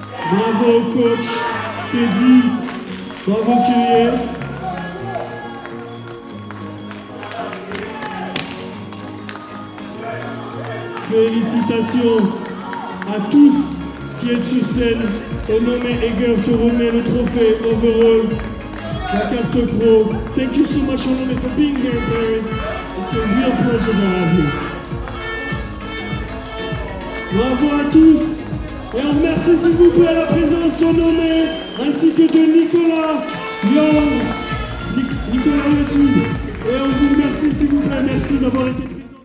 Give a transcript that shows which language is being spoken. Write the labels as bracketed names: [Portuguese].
[French] Bravo coach Teddy. Bravo Kylian. Félicitations à tous qui êtes sur scène. Honoré Eger te remet le trophée overall, la carte pro. [English] Thank you so much, Honoré, for being here, guys. It's a real pleasure to have you. [French] Bravo à tous. Et on remercie, s'il vous plaît, la présence d'Honoré ainsi que de Nicolas Young, Nicolas Lattu. Et on vous remercie, s'il vous plaît, merci d'avoir été présent.